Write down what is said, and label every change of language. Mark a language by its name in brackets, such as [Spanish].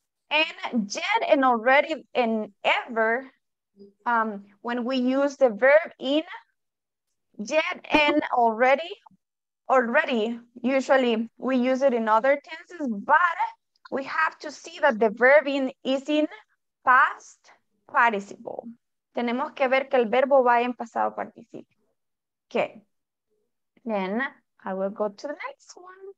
[English] And yet and already and ever, when we use the verb in yet and already, already, usually we use it in other tenses, but we have to see that the verb in is in past participle. [Spanish] Tenemos que ver que el verbo va en pasado participio. [English] Okay. Then I will go to the next one.